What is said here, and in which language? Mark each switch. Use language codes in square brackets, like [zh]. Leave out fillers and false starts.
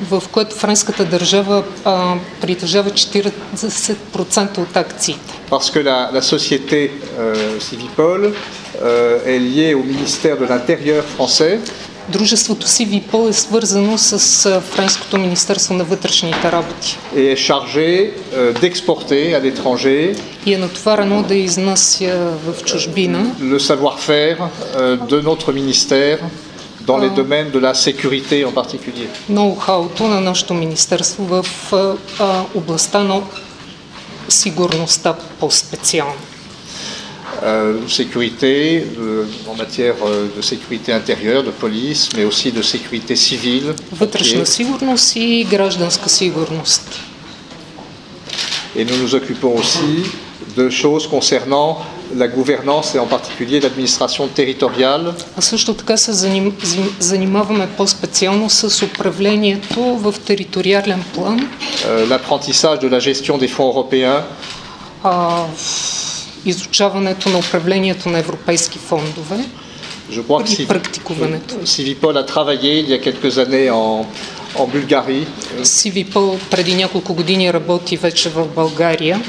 [bg] В което френската държава притежава 40% от акциите. [fr] Parce que la société Sivipol est liée au ministère de l'Intérieur français. [bg] Дружеството Sivipol е свързано с Френското министерство на вътрешните работи. [fr] Et est chargé d'exporter à l'étranger. [bg] И е натоварено да изнася в чужбина. [fr] Le savoir-faire de notre ministère dans les domaines de la sécurité en particulier. [bg] Ноу-хауто на нашето министерство в областта на сигурността по-специално. [fr] Sécurité en matière de sécurité intérieure, de police, mais aussi de sécurité civile. [bg] Вътрешна сигурност и гражданска сигурност. [fr] Et nous nous occupons aussi de choses concernant la gouvernance et en particulier l'administration territoriale. [bg] А също така се занимаваме по-специално с управлението в териториален план. [fr] L'apprentissage de la gestion des fonds européens. [bg] Изучаването на управлението на европейски фондове и практикуването. [fr] Sivipol a travaillé il y a quelques années en Bulgarie. [bg] Sivipol преди няколко години работи вече в България.